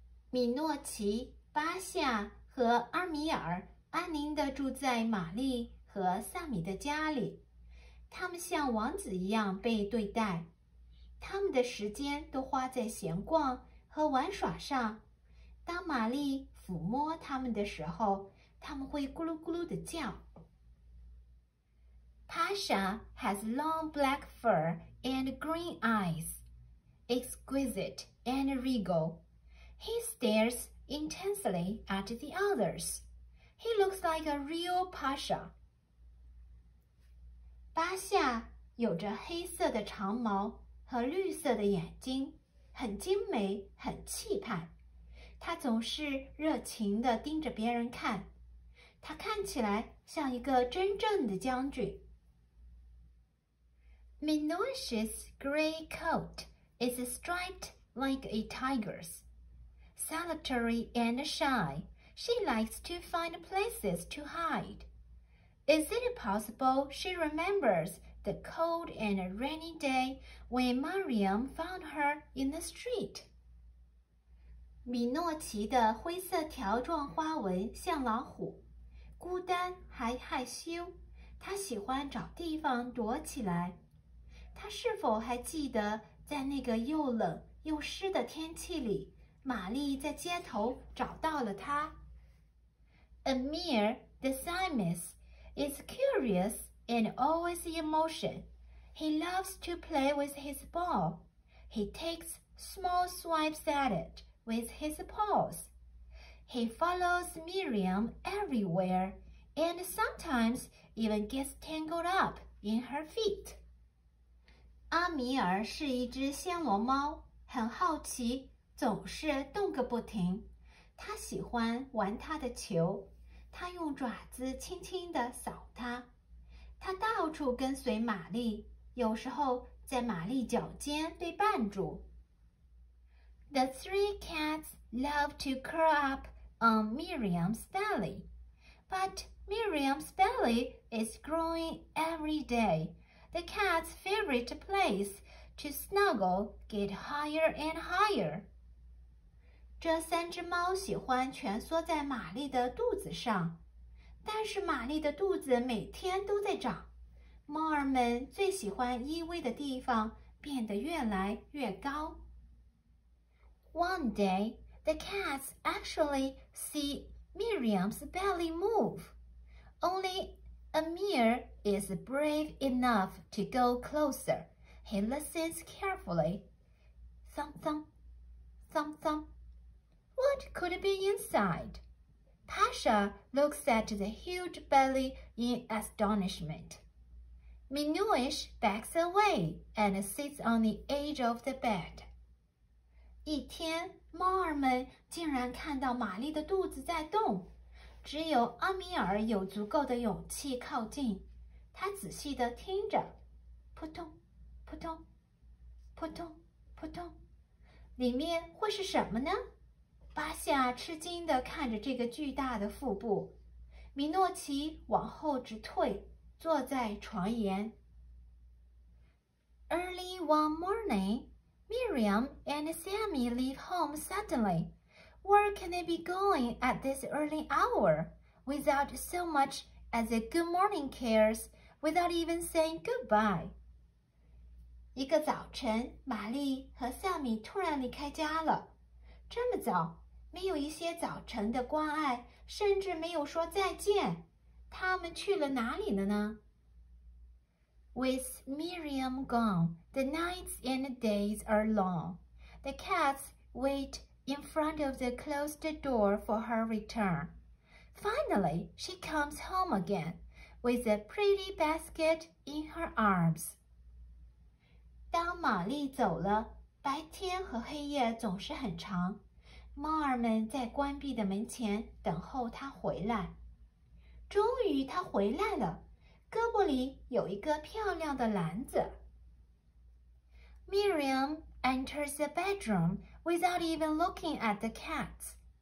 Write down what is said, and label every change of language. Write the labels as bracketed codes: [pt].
[zh] 米诺奇、巴夏和阿米尔安宁地住在玛丽和萨米的家里，他们像王子一样被对待，他们的时间都花在闲逛和玩耍上。当玛丽抚摸他们的时候，他们会咕噜咕噜地叫。 [en] Pasha has long black fur and green eyes, exquisite and regal. He stares intensely at the others. He looks like a real Pasha. [zh] 巴夏有着黑色的长毛和绿色的眼睛，很精美，很气派。他总是热情地盯着别人看。他看起来像一个真正的将军。 [en] Minouche's gray coat is striped like a tiger's. Solitary and shy, she likes to find places to hide. Is it possible she remembers the cold and rainy day when Mariam found her in the street? [zh] 米诺奇的灰色条状花纹像老虎。孤单还害羞，他喜欢找地方躲起来。他是否还记得，在那个又冷又湿的天气里，玛丽在街头找到了他？ [en] Amir the Siamese is curious and always in motion. He loves to play with his ball. He takes small swipes at it with his paws. He follows Miriam everywhere. And sometimes even gets tangled up in her feet. [zh] 阿米尔是一只暹罗猫，很好奇，总是动个不停。它喜欢玩它的球，它用爪子轻轻地扫它。它到处跟随玛丽，有时候在玛丽脚尖被绊住。 [en] The three cats love to curl up on Miriam's belly, but Miriam's belly is growing every day. The cat's favorite place to snuggle get higher and higher. [zh] 这三只猫喜欢蜷缩在玛丽的肚子上，但是玛丽的肚子每天都在长。猫儿们最喜欢依偎的地方变得越来越高。 [en] One day, the cats actually see Miriam's belly move. Only Amir is brave enough to go closer. He listens carefully. Thump thump, thump thump. What could be inside? Pasha looks at the huge belly in astonishment. Minouche backs away and sits on the edge of the bed. [zh] 一天，猫儿们竟然看到玛丽的肚子在动。只有阿米尔有足够的勇气靠近，他仔细地听着，扑通，扑通，扑通，扑通，里面会是什么呢？巴夏吃惊地看着这个巨大的腹部，米诺奇往后直退，坐在床沿。 [en] Early one morning, Miriam and Sammy leave home suddenly. Where can they be going at this early hour, without so much as a good morning cares, without even saying goodbye? [zh] 一个早晨，玛丽和萨米突然离开家了。这么早，没有一些早晨的关爱，甚至没有说再见。他们去了哪里了呢？ [en] With Miriam gone, the nights and days are long. The cats wait in front of the closed door for her return. Finally, she comes home again, with a pretty basket in her arms. [zh] 当玛丽走了，白天和黑夜总是很长，猫儿们在关闭的门前等候她回来。终于她回来了，胳膊里有一个漂亮的篮子。 [en] Miriam enters the bedroom without even looking at the cats.